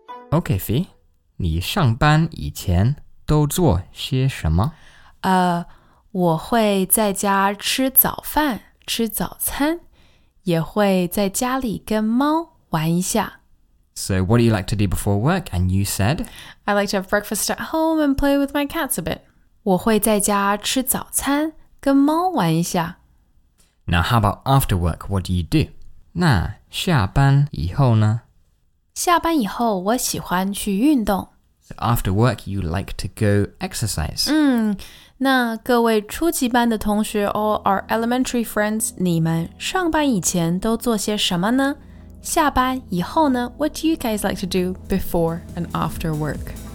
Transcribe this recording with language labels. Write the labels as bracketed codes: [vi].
[en] Okay, Fee. [zh] 你上班以前都做些什么？我会在家吃早饭，吃早餐，也会在家里跟猫玩一下。 [en] So what do you like to do before work? And you said? I like to have breakfast at home and play with my cats a bit. [zh] 我会在家吃早餐跟猫玩一下。 [en] Now how about after work? What do you do? [zh] 那下班以后呢？下班以后我喜欢去运动。 [en] So after work, you like to go exercise. [zh] 那各位初级班的同学 [en] or our elementary friends, [zh] 你们上班以前都做些什么呢？下班以后呢? [en] What do you guys like to do before and after work?